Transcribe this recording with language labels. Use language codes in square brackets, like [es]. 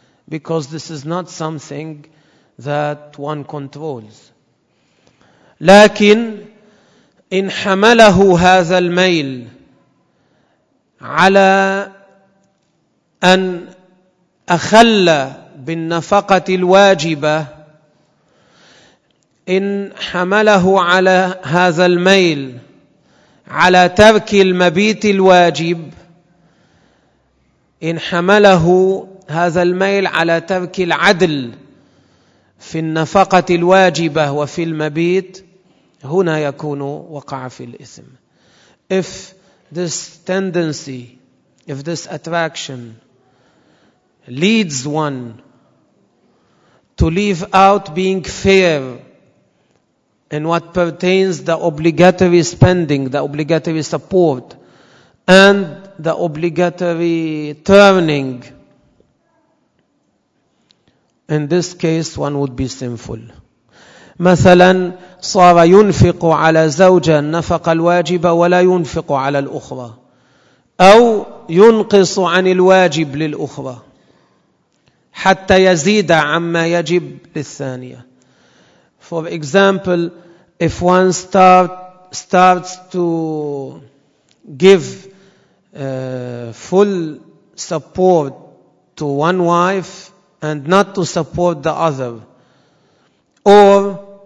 [en] Because this is not something that one controls. [ar] لكن إن حمله هذا الميل على أن أخل بالنفقة الواجبة, إن حمله على هذا الميل على ترك المبيت الواجب, إن حمله هذا الميل على ترك العدل في النفقة الواجبة وفي المبيت, هنا يكون وقع في الإثم. [en] If this tendency, if this attraction leads one to leave out being fair and what pertains the obligatory spending, the obligatory support, and the obligatory turning, in this case one would be sinful. [ar] مثلا صار ينفق على زوجة النفقة الواجبة ولا ينفق على الأخرى, أو ينقص عن الواجب للأخرى حتى يزيد عما يجب للثانية. [en] For example, if one starts to give full support to one wife and not to support the other, or